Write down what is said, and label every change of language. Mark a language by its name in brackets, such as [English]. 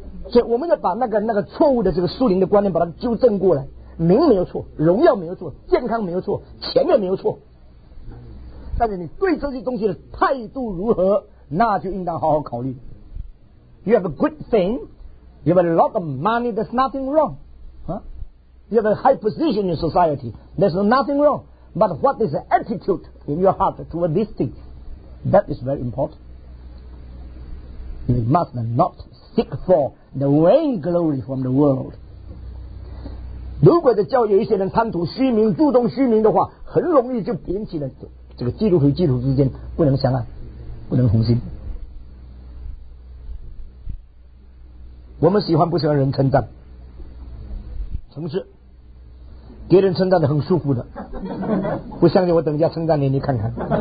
[Chinese] 所以我们要把那个错误的这个属灵的观念把它纠正过来，名没有错，荣耀没有错，健康没有错，钱也没有错，但是你对这些东西的态度如何，那就应当好好考虑。 [English] You have a good thing, you have a lot of money, there's nothing wrong、you have a high position in society, there's nothing wrong, but what is the attitude in your heart toward these things, that is very important. You must not seek for the vain glory from the world. [Chinese] 如果在教育一些人贪图虚名，注重虚名的话，很容易就引起了这个基督徒与基督徒之间不能相爱，不能同心。我们喜欢不喜欢人称赞？诚实，别人称赞的很舒服的，不相信我等一下称赞你，你看看。